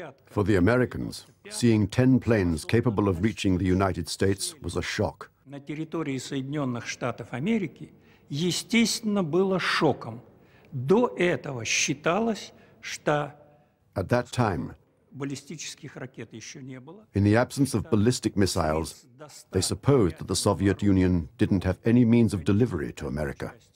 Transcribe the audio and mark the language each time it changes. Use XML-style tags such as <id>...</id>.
<en>For the Americans, seeing 10 planes capable of reaching the United States was a shock.</en> <ru>На территории Соединенных Штатов Америки, естественно, было шоком. До этого считалось, что...</ru> <en>At that time, in the absence of ballistic missiles, they supposed that the Soviet Union didn't have any means of delivery to America.</en>